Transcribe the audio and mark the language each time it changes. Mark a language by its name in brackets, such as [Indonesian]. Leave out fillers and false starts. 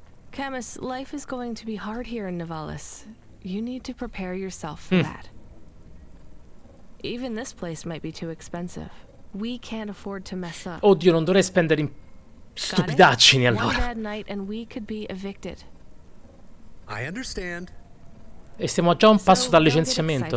[English] Camus, life is going to be hard here in Novalis. You need to prepare yourself for that. Even this place might be too expensive. We can't afford to mess up. [Italian] Oddio, non dovrei spendere in stupidaggini allora. [English] One bad night and we could be evicted. I understand. [Italian] E stiamo già un passo dal licenziamento.